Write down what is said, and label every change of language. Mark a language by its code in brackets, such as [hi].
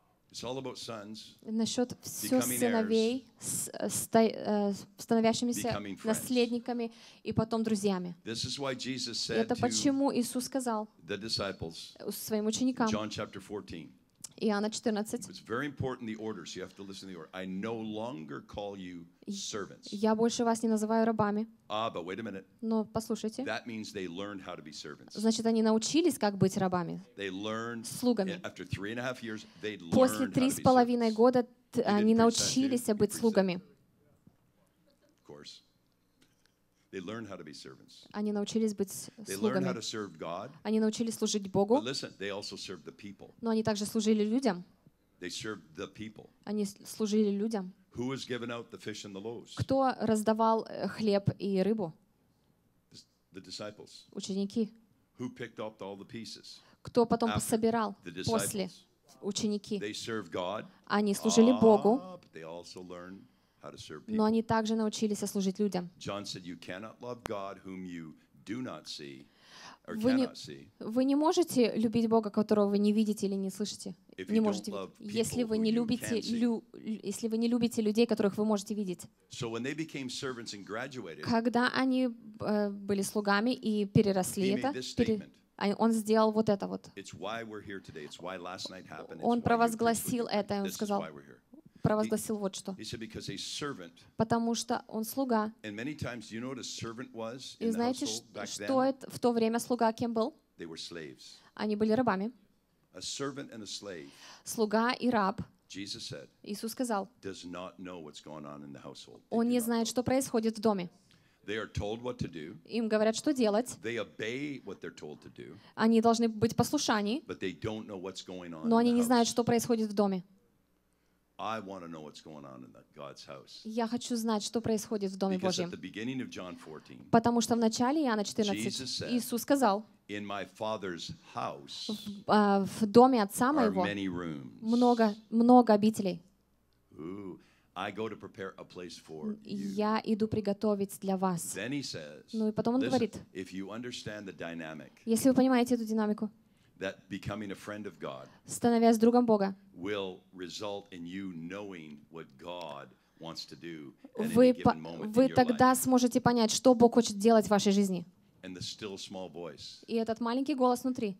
[en] It's all about sons. [ru] Насчет все сыновей, становящимися наследниками и потом друзьями. [en] This is why Jesus said [ru] это почему Иисус сказал [en] the disciples [ru] своим ученикам. [en] John chapter 14. [ru] Иоанна 14. [en] It's very important the order, so you have to listen to the order. I no longer call you servants. [ru] Я больше вас не называю рабами. [en] Ah, but wait a minute. [ru] Но послушайте. [en] That means they learned how to be servants. [ru] Значит, они научились, как быть рабами. [en] They learned. [ru] Слугами. [en] After 3.5 years, they learned. [ru] После 3.5 года они научились быть слугами. [en] Of course. They learned how to be servants. [ru] Они научились быть слугами. [en] They learned how to serve God. [ru] Они научились служить Богу. [en] But listen, they also served the people. [ru] Но они также служили людям. [en] They served the people. [ru] Они служили людям. [en] Who was giving out the fish and the loaves? [ru] Кто раздавал хлеб и рыбу? [en] The disciples. [ru] Ученики. [en] Who picked up all the pieces? [ru] Кто потом пособирал после? Ученики. [en] They served God. [ru] Они служили Богу. [en] But they also learned. [ru] Но они также научились служить людям. [en] John said, "You cannot love God whom you do not see, or cannot see." [ru] Вы не можете любить Бога, которого вы не видите или не слышите. [en] If [ru] не можете. Если вы не любите если вы не любите людей, которых вы можете видеть. [en] So when they became servants and graduated, [ru] когда они были слугами и переросли это, он сделал вот это вот. [en] It's why we're here today. It's why last night happened. [ru] Он провозгласил это, он сказал. Провозгласил вот что. Потому что он слуга. И знаете, [en] you know [ru] что это, в то время слуга кем был? [en] They were slaves. [ru] Они были рабами. [en] A servant and a slave. [ru] Слуга и раб. [en] Jesus said, [ru] Иисус сказал, [en] does not know what's going on in the household. [ru] Он не знает, что происходит в доме. [en] They are told what to do. [ru] Им говорят, что делать. [en] They obey what they're told to do. [ru] Они должны быть в послушании. [en] But they don't know what's going on [ru] но они не знают, что происходит в доме. [en] I want to know what's going on in God's house. [ru] Я хочу знать, что происходит в доме Божьем. [en] Because at the beginning of John 14. [ru] Потому что в начале Иоанна 14 Иисус сказал. [en] In my Father's house. [ru] В доме отца моего. [en] Are many rooms. [ru] Много обителей. Я иду приготовить для вас. Ну и потом он говорит, если вы понимаете эту динамику, [en] that becoming a friend of God [ru] становясь другом Бога [en] will result in you knowing what God wants to do [ru] вы тогда сможете понять, что Бог хочет делать в вашей жизни. [en] And the still small voice [ru] и этот маленький голос внутри